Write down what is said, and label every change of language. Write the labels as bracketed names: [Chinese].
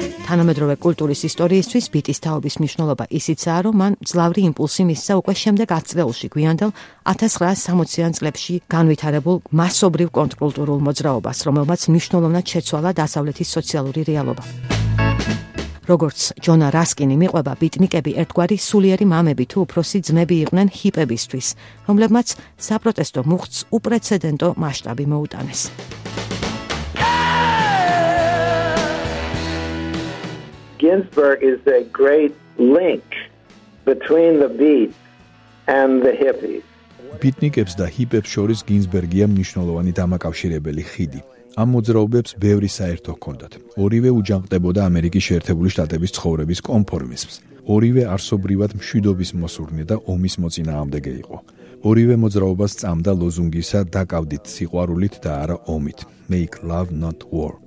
[Georgian] თანამედროვე კულტურის ისტორიისთვის ბიტის თაობის მნიშვნელობა ისიცაა, რომ მან ძლავრი იმპულსი მისცა უკვე შემდეგ ათწლეულში, გვიანდელ 1960-იან წლებში განვითარებულ მასობრივ კონტრკულტურულ მოძრაობას, რომელმაც მნიშვნელოვნად შეცვალა დასავლეთის სოციალური რეალობა. როგორც ჯონა რასკინი მიყვება, ბიტნიკები ერთგვარი სულიერი მამები თუ უფროსი ძმები იყვნენ ჰიპებისთვის, რომლებმაც საპროტესტო მუხტს უპრეცედენტო მასშტაბი მოუტანეს. [English] Ginsberg is a great link between the beat and the hippies. [Georgian] ბიტნიკებს და ჰიპებს შორის გინსბერგია მნიშვნელოვანი დამაკავშირებელი ხიდი. ამ მოძრაობებს ბევრი საერთო ჰქონდათ. ორივე უჯანყდებოდა ამერიკის შეერთებული შტატების ცხოვრების კონფორმიზმს. ორივე არსობრივად მშვიდობის მოსურნე და ომის მოწინააღმდეგე იყო. ორივე მოძრაობას წამდა ლოზუნგისა „დაკავდით სიყვარულით და არა ომით“, [English] Make Love Not War.